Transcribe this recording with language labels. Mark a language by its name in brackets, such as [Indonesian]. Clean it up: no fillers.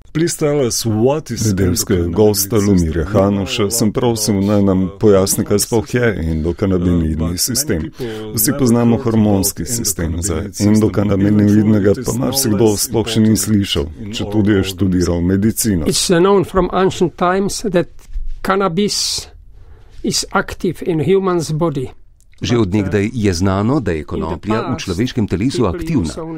[English] Please tell us what is [Slovenian] nedeljskega gosta Lumirja Hanuša, sem prosil, naj nam pojasni, kaj sploh je endokanabinoidni sistem. Vsi poznamo hormonski sistem, za endokanabinoidnega pa marsikdo sploh še ni slišal, če tudi je študiral medicino. [English] It's known from ancient times that cannabis is active in human's body. [Slovenian] Že od nekdaj je znano, da je konoplja v človeškem telesu aktivna.